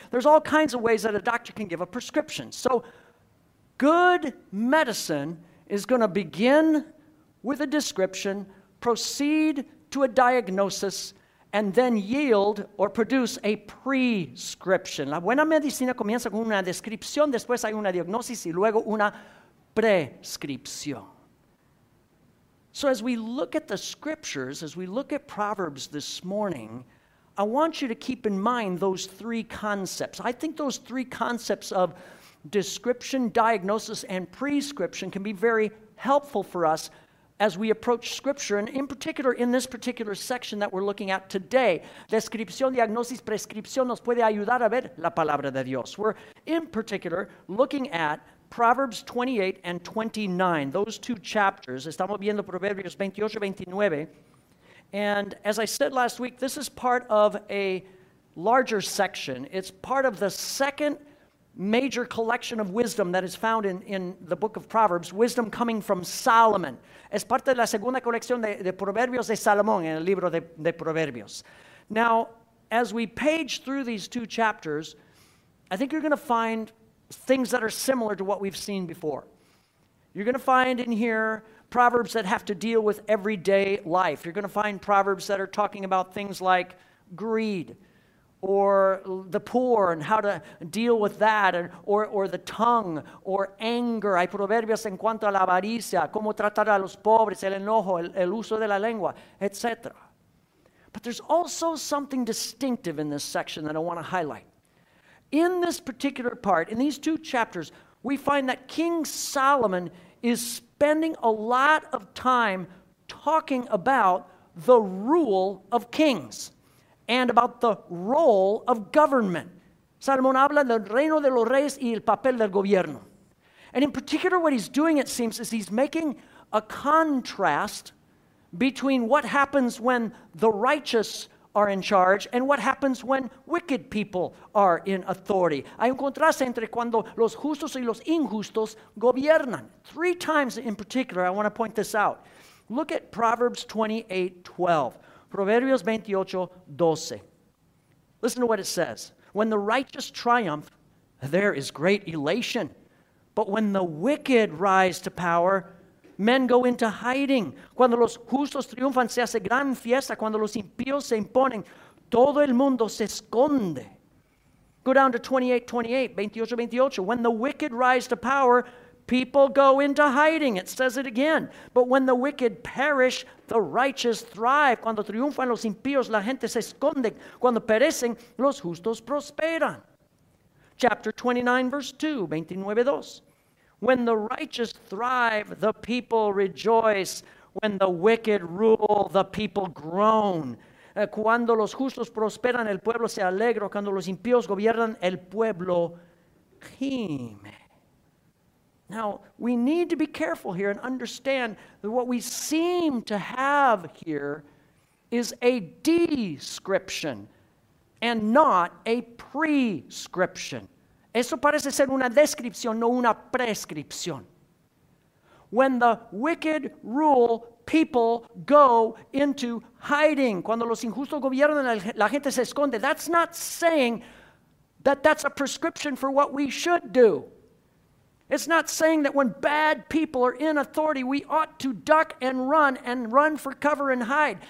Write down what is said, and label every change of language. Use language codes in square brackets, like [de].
[en] There's all kinds of ways that a doctor can give a prescription. So good medicine is going to begin with a description, proceed to a diagnosis, and then yield or produce a prescription. [es] La buena medicina comienza con una descripción, después hay una diagnosis y luego una prescripción. [en] So as we look at the scriptures, as we look at Proverbs this morning, I want you to keep in mind those three concepts. I think those three concepts of description, diagnosis, and prescription can be very helpful for us as we approach Scripture, and in particular, in this particular section that we're looking at today. [es] Descripción, diagnosis, prescripción nos puede ayudar a ver la palabra de Dios. [en] We're, in particular, looking at Proverbs 28 and 29, those two chapters. [es] Estamos viendo Proverbios 28 y 29. [en] And as I said last week, this is part of a larger section. It's part of the second major collection of wisdom that is found in the book of Proverbs, wisdom coming from Solomon. [es] Es parte de la segunda colección de Proverbios de Salomón en el libro de Proverbios. [en] Now, as we page through these two chapters, I think you're going to find things that are similar to what we've seen before. You're going to find in here Proverbs that have to deal with everyday life. You're going to find Proverbs that are talking about things like greed, or the poor and how to deal with that, or the tongue, or anger. [es] Hay proverbios en cuanto a la avaricia, cómo tratar a los pobres, el enojo, el uso de la lengua, etc. [en] But there's also something distinctive in this section that I want to highlight. In this particular part, in these two chapters, we find that King Solomon is spending a lot of time talking about the rule of kings and about the role of government. [es] Salomón habla del reino de los reyes y el papel del gobierno. [en] And in particular, what he's doing, it seems, is he's making a contrast between what happens when the righteous are in charge and what happens when wicked people are in authority. [es] Hay un contraste entre cuando los justos y los injustos gobiernan. [en] Three times in particular, I want to point this out. Look at Proverbs 28:12. [es] Proverbios 28:12. [en] Listen to what it says. When the righteous triumph, there is great elation. But when the wicked rise to power, men go into hiding. [es] Cuando los justos triunfan, se hace gran fiesta. Cuando los impíos se imponen, todo el mundo se esconde. [en] Go down to 28:28. When the wicked rise to power, people go into hiding. It says it again. But when the wicked perish, the righteous thrive. [es] Cuando triunfan los impíos, la gente se esconde. Cuando perecen, los justos prosperan. [en] Chapter 29, verse 2, 29:2. When the righteous thrive, the people rejoice. When the wicked rule, the people groan. [es] Cuando los justos prosperan, el pueblo se alegra. Cuando los impíos gobiernan, el pueblo gime. [en] Now, we need to be careful here and understand that what we seem to have here is a description and not a prescription. [es] Eso parece ser una descripción, no una prescripción. [en] When the wicked rule, people go into hiding. [es] Cuando los injustos gobiernan, la gente se esconde. [en] That's not saying that that's a prescription for what we should do. It's not saying that when bad people are in authority, we ought to duck and run for cover and hide.